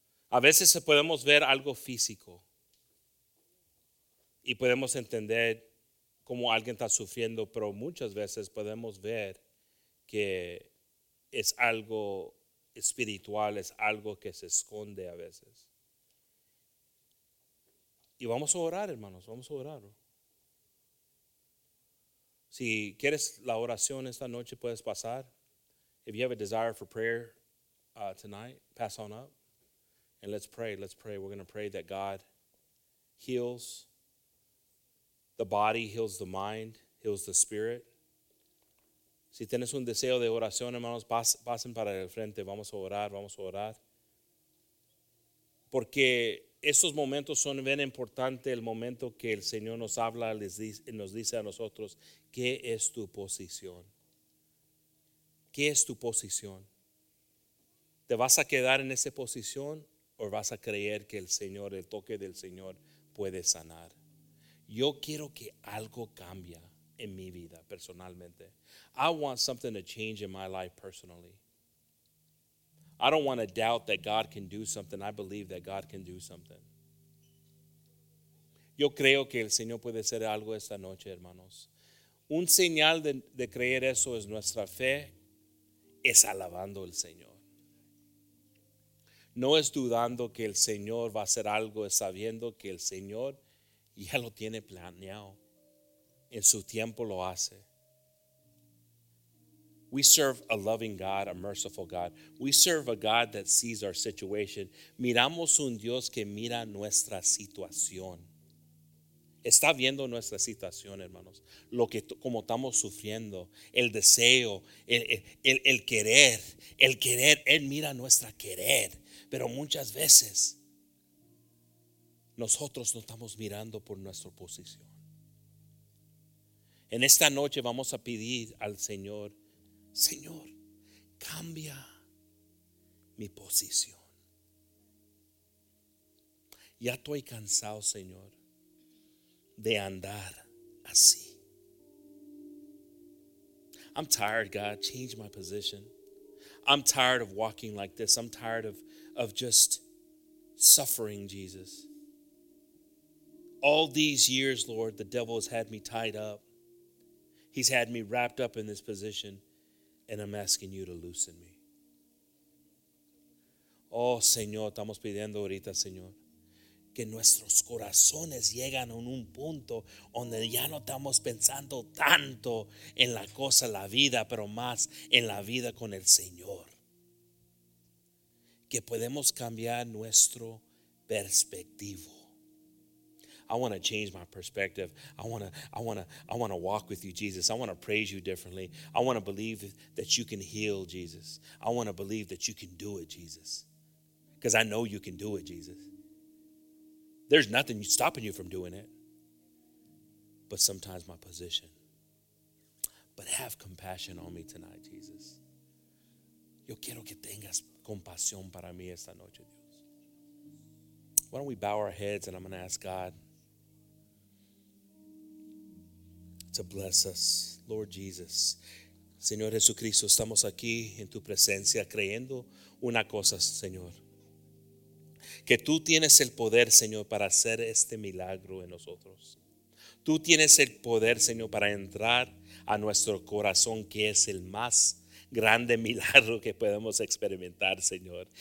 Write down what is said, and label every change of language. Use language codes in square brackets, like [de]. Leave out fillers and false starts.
[es] A veces podemos ver algo físico y podemos entender cómo alguien está sufriendo, pero muchas veces podemos ver que es algo espiritual, es algo que se esconde a veces. Y vamos a orar, hermanos, vamos a orar. Si quieres la oración esta noche, puedes pasar. [en] If you have a desire for prayer tonight, pass on up. And let's pray, let's pray. We're going to pray that God heals the body, heals the mind, heals the spirit. [es] Si tienes un deseo de oración, hermanos, pasen para el frente. Vamos a orar, vamos a orar. Porque estos momentos son bien importantes, el momento que el Señor nos habla y nos dice a nosotros, ¿qué es tu posición? ¿Qué es tu posición? ¿Te vas a quedar en esa posición o vas a creer que el Señor, el toque del Señor puede sanar? Yo quiero que algo cambie en mi vida personalmente. [en] I want something to change in my life personally. I don't want to doubt that God can do something. I believe that God can do something. [es] Yo creo que el Señor puede hacer algo esta noche, hermanos. Un señal de creer eso es nuestra fe, es alabando al Señor. No es dudando que el Señor va a hacer algo, es sabiendo que el Señor ya lo tiene planeado. En su tiempo lo hace. [en] We serve a loving God, a merciful God. We serve a God that sees our situation. [es] Miramos un Dios que mira nuestra situación. Está viendo nuestra situación, hermanos. Lo que, como estamos sufriendo, el deseo, el querer. Él mira nuestra querer. Pero muchas veces, nosotros no estamos mirando por nuestra posición. En esta noche vamos a pedir al Señor, Señor, cambia mi posición. Ya estoy cansado, Señor, de andar así. [en] I'm tired, God. Change my position. I'm tired of walking like this. I'm tired of just suffering, Jesus. All these years, Lord, the devil has had me tied up. He's had me wrapped up in this position. And I'm asking you to loosen me. [es] Oh, Señor, estamos pidiendo ahorita, Señor, que nuestros corazones llegan a un punto donde ya no estamos pensando tanto en la cosa, la vida, pero más en la vida con el Señor. Que podemos cambiar nuestro perspectivo. [en] I want to change my perspective. I want to walk with you, Jesus. I want to praise you differently. I want to believe that you can heal, Jesus. I want to believe that you can do it, Jesus. Because I know you can do it, Jesus. There's nothing stopping you from doing it. But sometimes my position. But have compassion on me tonight, Jesus. [es] Yo quiero que tengas compasión para mí esta noche, Dios. [en] Why don't we bow our heads and I'm going to ask God to bless us, Lord Jesus. [es] Señor Jesucristo, estamos aquí en tu presencia creyendo una cosa, Señor. Que tú tienes el poder, Señor, para hacer este milagro en nosotros. Tú tienes el poder, Señor, para entrar a nuestro corazón, que es el más grande milagro que podemos experimentar, Señor.